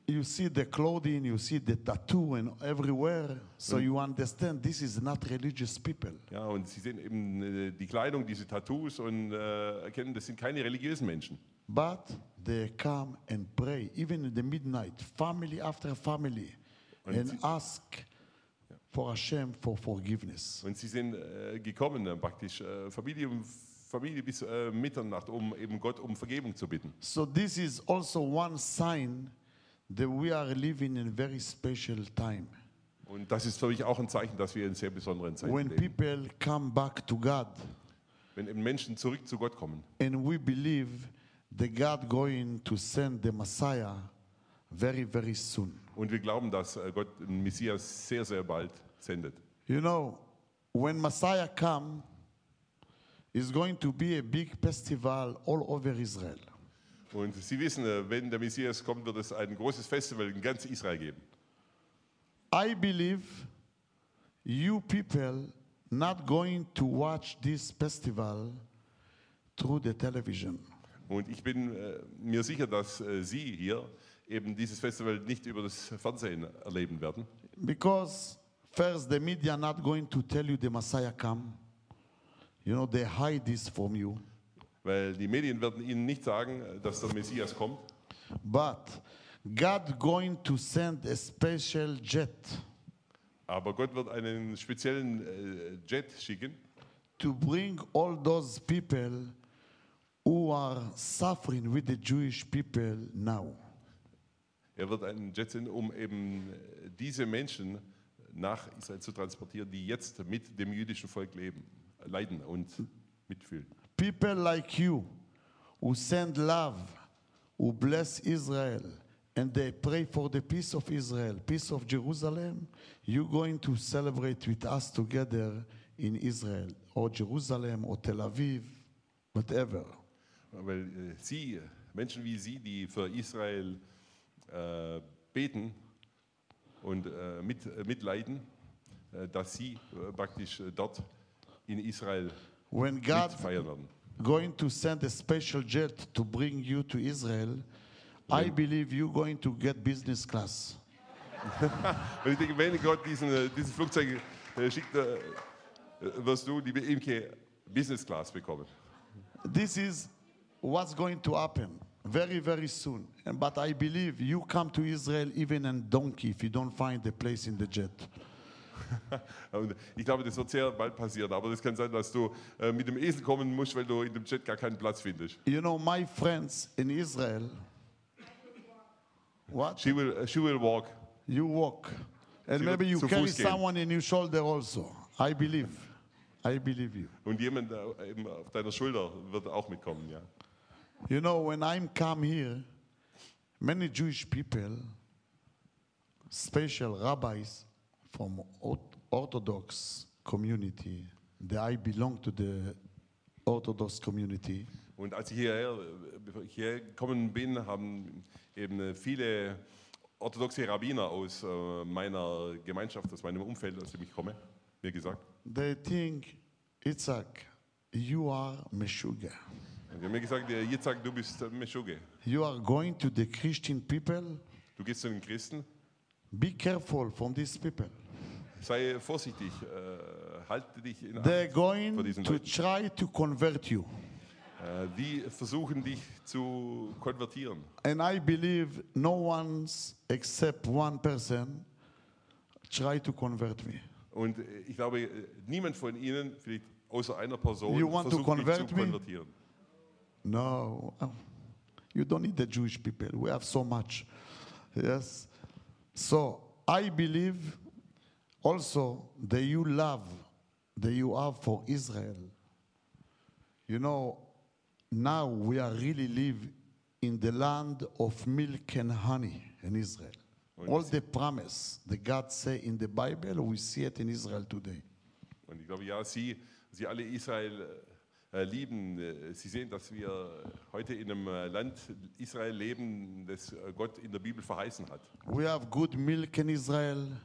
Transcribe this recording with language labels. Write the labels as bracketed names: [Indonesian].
[English] You see the clothing, you see the tattoo and everywhere, so you understand this is not religious people. [German] Ja, und Sie sehen eben die Kleidung, diese Tattoos und erkennen, das sind keine religiösen Menschen. [English] But they come and pray, even in the midnight, family after family, [German] und [English] and ask for Hashem, for forgiveness. [German] Und sie sind gekommen, praktisch Familie um Familie bis Mitternacht, um eben Gott um Vergebung zu bitten. [English] So this is also one sign that we are living in a very special time. [German] Und das ist für mich auch ein Zeichen, dass wir in sehr besonderen Zeiten leben. [English] When people come back to God, [German] wenn eben Menschen zurück zu Gott kommen, [English] and we believe that God going to send the Messiah very, very soon. [German] Und wir glauben, dass Gott den Messias sehr, sehr bald sendet. [English] You know, when Messiah comes, it's going to be a big festival all over Israel. [German] Und Sie wissen, wenn der Messias kommt, wird es ein großes Festival in ganz Israel geben. [English] I believe you people not going to watch this festival through the television. [German] Und ich bin mir sicher, dass Sie hier eben dieses Festival nicht über das Fernsehen erleben werden. [English] Because first the media not going to tell you the Messiah come. You know, they hide this from you. [German] Weil die Medien werden Ihnen nicht sagen, dass der Messias kommt. [English] But God going to send a special jet. [German] Aber Gott wird einen speziellen Jet schicken. [English] To bring all those people who are suffering with the Jewish people now. [German] Er wird einen Jet senden, um eben diese Menschen nach Israel zu transportieren, die jetzt mit dem jüdischen Volk leben, leiden und mitfühlen. [English] People like you, who send love, who bless Israel, and they pray for the peace of Israel, peace of Jerusalem, you're going to celebrate with us together in Israel, or Jerusalem, or Tel Aviv, whatever. [German] Weil Sie, Menschen wie Sie, die für Israel beten und mitleiden, dass sie praktisch dort in Israel [English] when God [German] mitfeiern werden. [English] Going to send a special jet to bring you to Israel, when I believe you going to get business class. [German] Und ich denke, wenn Gott diesen Flugzeug schickt, wirst du die BMK Business Class bekommen. [English] This is what's going to happen. Very, very soon. And, but I believe you come to Israel even a donkey if you don't find a place in the jet. [German] Ich glaube, das wird sehr bald passieren. Aber es kann sein, dass du mit dem Esel kommen musst, weil du in dem Jet gar keinen Platz findest. [English] You know, my friends in Israel. What? She will walk. You walk. And maybe you carry someone in your shoulder also. I believe you. [German] Und jemand auf deiner Schulter wird auch mitkommen, ja. [English] You know, when I come here, many Jewish people, special rabbis from Orthodox community, that I belong to the Orthodox community. [German] Und als ich hierher gekommen bin, haben eben viele orthodoxe Rabbiner aus meiner Gemeinschaft, aus meinem Umfeld, aus dem ich komme, mir gesagt. [English] They think, Yitzhak, you are Meshuggah. [German] Und mir gesagt, Yitzhak, du bist Meshuggah. [English] You are going to the Christian people. [German] Du gehst zu den Christen. [English] Be careful from these people. [German] Sei vorsichtig, halte dich in Acht. [English] They're going [German] vor diesen [English] to [German] Leuten. [English] Try to convert you. [German] Die versuchen dich zu konvertieren. [English] And I believe no one's except one person try to convert me. [German] Und ich glaube, niemand von ihnen, vielleicht außer einer Person, [English] you want [German] versucht [English] to convert [German] dich zu konvertieren. [English] Me? No, you don't need the Jewish people. We have so much. Yes. So I believe also that you love that you have for Israel. You know, now we are really live in the land of milk and honey in Israel. All the promise that God say in the Bible, we see it in Israel today. [German] Und ich glaube, ja, Sie alle Israel lieben, Sie sehen, dass wir heute in einem Land Israel leben, das Gott in der Bibel verheißen hat. [English] We have good milk in Israel.